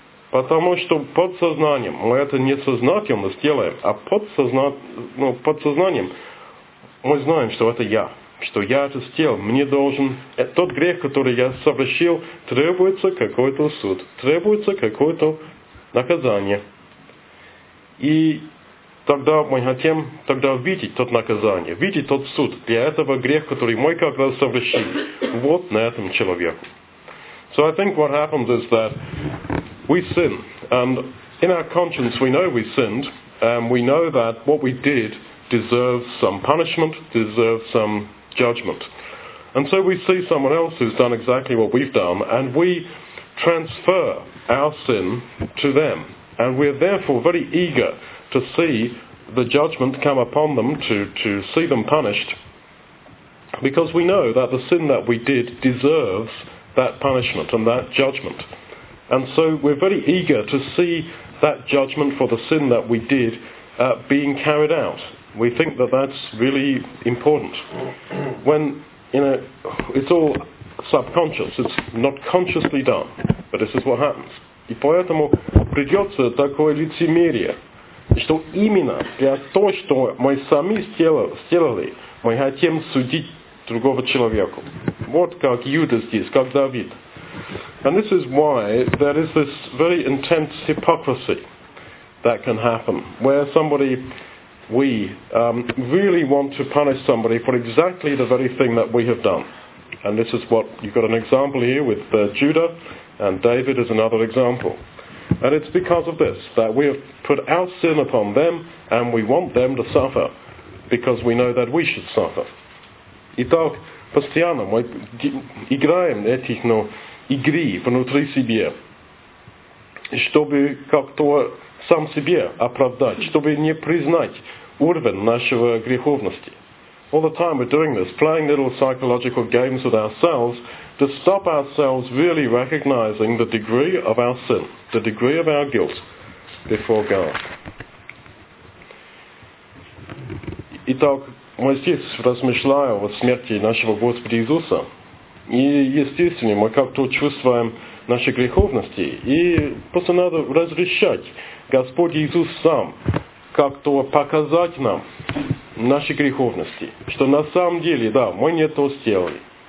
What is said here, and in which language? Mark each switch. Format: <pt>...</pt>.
<ru>Потому что под сознанием мы это несознательно сделаем, а под сознанием мы знаем, что я это сделал, мне должен, тот грех, который я совершил, требуется какой-то суд, требуется какое-то наказание. И тогда мы хотим тогда видеть тот наказание, видеть тот суд для этого греха, который мы как раз совершили, вот на этом человеку.</ru> <en>So I think what happens is that we sin, and in our conscience we know we sinned, and we know that what we did deserves some punishment, deserves some judgment. And so we see someone else who's done exactly what we've done, and we transfer our sin to them. And we're therefore very eager to see the judgment come upon them, to see them punished, because we know that the sin that we did deserves that punishment and that judgment. And so we're very eager to see that judgment for the sin that we did being carried out. We think that that's really important. When, you know, it's all subconscious, it's not consciously done, but this is what happens.</en> <ru>И поэтому придется такое лицемерие, что именно для того, что мы сами сделали, мы хотим судить другого человека. Вот как Иуда здесь, как Давид.</ru> <en>And this is why there is this very intense hypocrisy that can happen, where somebody, we really want to punish somebody for exactly the very thing that we have done. And this is what, you've got an example here with Judah, and David is another example. And it's because of this, that we have put our sin upon them, and we want them to suffer, because we know that we should suffer.</en> <ru>Итак, постоянно мы играем этих, ну, игры внутри себя, чтобы как-то сам себе оправдать, чтобы не признать уровень нашего греховности.</ru> <en>All the time we're doing this, playing little psychological games with ourselves to stop ourselves really recognizing the degree of our sin, the degree of our guilt before God.</en> <ru>Итак, мы здесь размышляем о смерти нашего Господа Иисуса. И, естественно, мы как-то чувствуем наши греховности, и просто надо разрешать Господь Иисус сам как-то показать нам наши греховности, что на самом деле, да, мы не то сделали.</ru>